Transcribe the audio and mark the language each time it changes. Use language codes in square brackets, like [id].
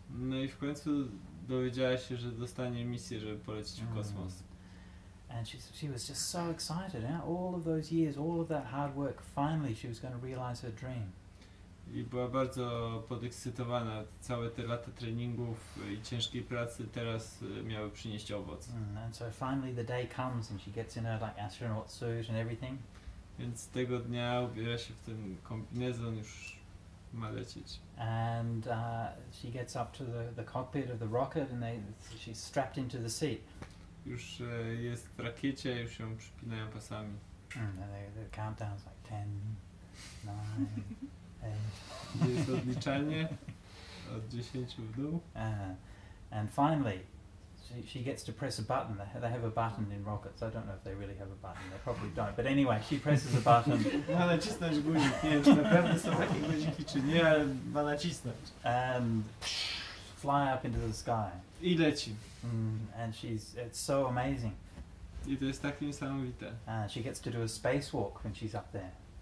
[pl] No i w końcu dowiedziała się, że dostanie misję, żeby polecieć w kosmos. [en] And she was just so excited. All of those years, all of that hard work, finally she was going to realize her dream. [pl] I była bardzo podekscytowana. Całe te lata treningów i ciężkiej pracy teraz miały przynieść owoc. [en] And so finally the day comes and she gets in her like astronaut suit and everything. [pl] Więc tego dnia ubiera się w ten kombinezon, już ma lecieć. [en] And she gets up to the cockpit of the rocket and she's strapped into the seat. [pl] Już jest w rakiecie, już ją przypinają pasami. [en] The countdown's like 10, 9, 8. [pl] Jest odliczanie od 10 w dół. [en] And finally, she gets to press a button. They have a button in rockets. I don't know if they really have a button. They probably don't. But anyway, she presses a button. [pl] Ma nacisnąć guzik. Nie wiem, czy na pewno są takie guziki, czy nie, ale ma nacisnąć. [en] And fly up into the sky. [pl] I leci. [en] And it's so amazing. [pl] I to jest tak niesamowite. [en] She gets to do a spacewalk when she's up there.